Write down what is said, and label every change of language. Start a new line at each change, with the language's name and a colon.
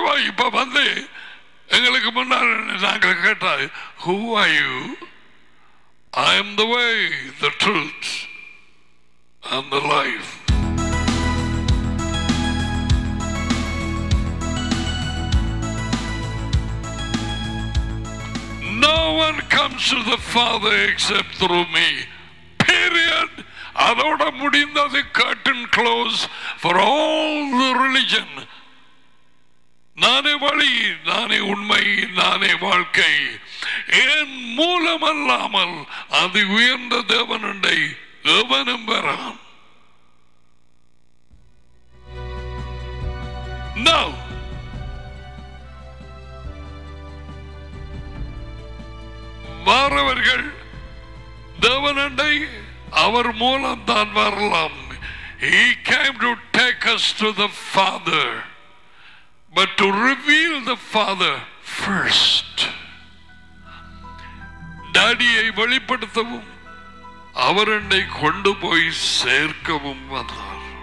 Tamil: இப்ப வந்து எங்களுக்கு முன்னால் நாங்கள் கேட்டா,
English: Who are you? I am the way, the truth, and the life. No one comes to the Father except through me. Period.
Tamil: அதோட முடிந்தது.
English: Curtain close for all the religion.
Tamil: நானே வழி, நானே உண்மை, நானே வாழ்க்கை. என் மூலம் அல்லாமல் அது உயர்ந்த தேவனுண்டை எவனும் பெறலாம். Now, வாரவர்கள் தேவனண்டை அவர் மூலம் தான் வரலாம்.
English: He came to take us to the Father, but to reveal the Father first.
Tamil: டாடியை வெளிப்படுத்தவும் அவரண்டை கொண்டு போய் சேர்க்கவும் வந்தார்.